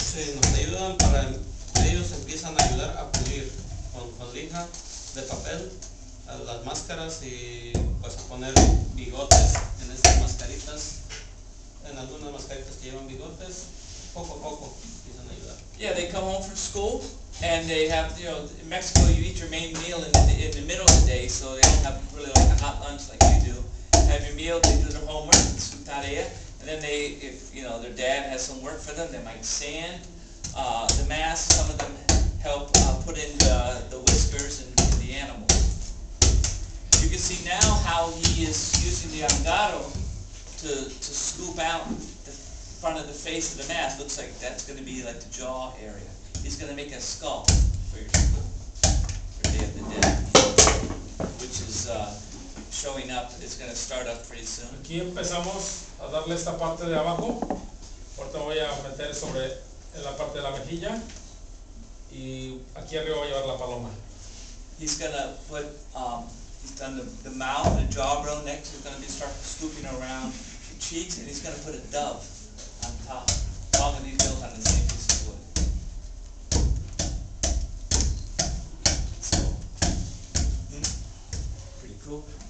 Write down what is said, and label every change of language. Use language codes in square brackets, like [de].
[es] Sí, nos ayudan para ellos empiezan a ayudar a pulir con lija de papel las máscaras y pues poner bigotes en estas mascaritas, en algunas mascaritas que llevan bigotes, poco a poco empiezan a ayudar. [en] Yeah, they come home from school and they have, you know, in Mexico you eat your main meal in the middle of the day, so they don't have really like a hot lunch like you do. Have your meal, they do their homework, some tarea, and then they, if you know, their dad has some work for them, they might sand the mask. Some of them help put in the whiskers and the animals. You can see now how he is using the angaro to scoop out the front of the face of the mask. Looks like that's going to be like the jaw area. He's going to make a skull for your Day of the Dead, which is showing up. It's going to start up pretty soon. [es] Aquí empezamos a darle esta parte de abajo. Ahorita voy a meter sobre en la parte de la mejilla. Y aquí arriba voy a llevar la paloma. [en] He's going to put, he's done the mouth, the jawbone next. He's going to start scooping around the cheeks. And he's going to put a dove on top. All of these bills on the same piece of wood. So, pretty cool.